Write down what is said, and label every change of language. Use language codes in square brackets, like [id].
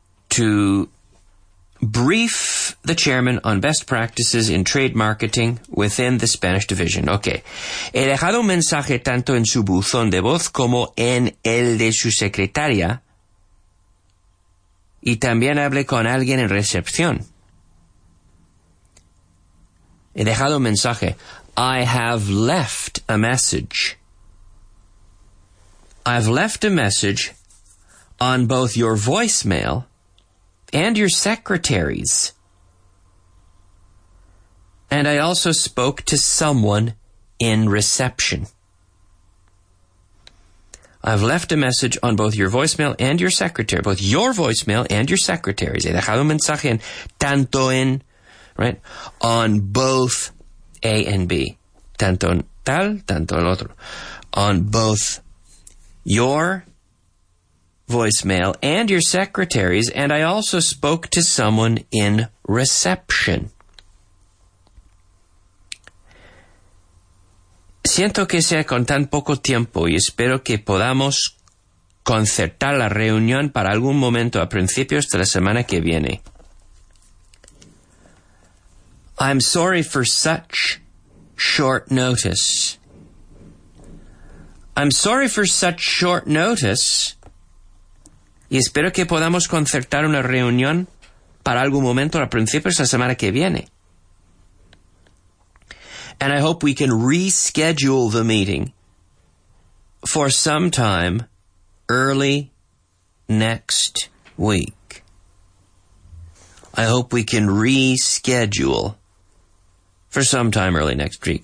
[en] To brief the chairman on best practices in trade marketing within the Spanish division. Okay. [es] He dejado un mensaje tanto en su buzón de voz como en el de su secretaria. Y también hablé con alguien en recepción. He dejado un mensaje. [en] I have left a message. I've left a message on both your voicemail and your secretaries. And I also spoke to someone in reception. I've left a message on both your voicemail and your secretary. Both your voicemail and your secretaries. [es] He dejado un mensaje en tanto en, right? [en] On both A and B. [es] Tanto en tal, tanto el otro. [en] On both your voicemail and your secretaries, and I also spoke to someone in reception. [es] Siento que sea con tan poco tiempo y espero que podamos concertar la reunión para algún momento a principios de la semana que viene. [en] I'm sorry for such short notice. I'm sorry for such short notice. [es] Y espero que podamos concertar una reunión para algún momento a principios de la semana que viene. [en] And I hope we can reschedule the meeting for some time early next week. I hope we can reschedule for some time early next week.